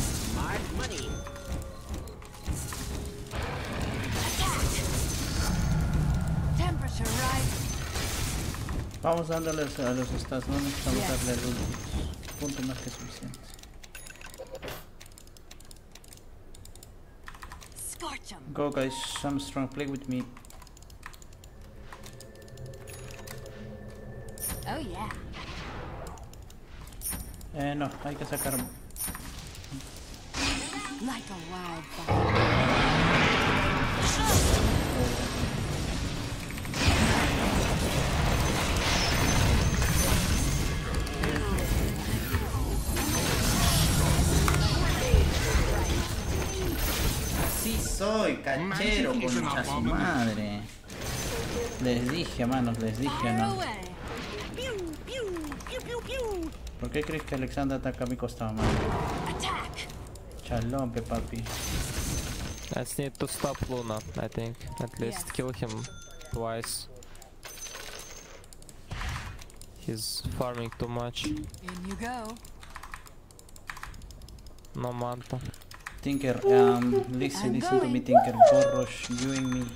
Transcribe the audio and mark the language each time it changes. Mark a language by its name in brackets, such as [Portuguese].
[English] Smart money. Attack. Temperature rising. [Spanish] Vamos dándoles a los stats, no necesitamos darle el último. Punto más que suficiente. [English] Go guys, some strong play with me. Oh yeah. [Spanish] No, hay que sacar. [English] Like a wildfire. [Spanish] Soy canchero, concha su madre. Les dije, manos, les dije, ¿no? ¿Por qué crees que Alexander ataca a mi costado, mano? Chalompe, papi. [English] I just need to stop Luna, I think. At least kill him twice. He's farming too much. [Spanish] No manta. [English] Tinker, listen to me, Tinker. Borrosh, you and me.